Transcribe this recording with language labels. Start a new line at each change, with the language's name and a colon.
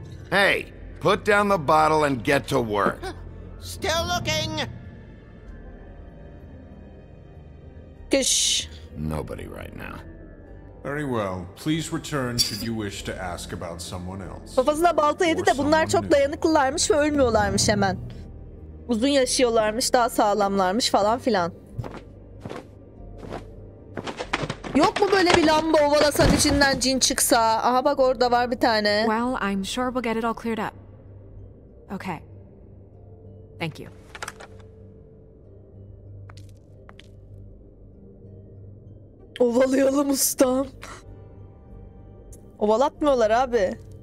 English: Hey, put down the bottle and get to work. Still looking. Kish. Nobody right now. Very well. Please return should you wish to ask about someone else.
Turkish: Kafasına balta yedi de bunlar çok dayanıklılarmış ve ölmüyorlarmış hemen. Uzun yaşıyorlarmış, daha sağlamlarmış falan filan. Yok mu böyle bir lamba ovalasan içinden cin çıksa? Aha bak orada var bir tane.
English: Well, I'm sure we'll get it all cleared up. Okay. Thank you.
Turkish: Ovalayalım ustam. Ovalatmıyorlar abi.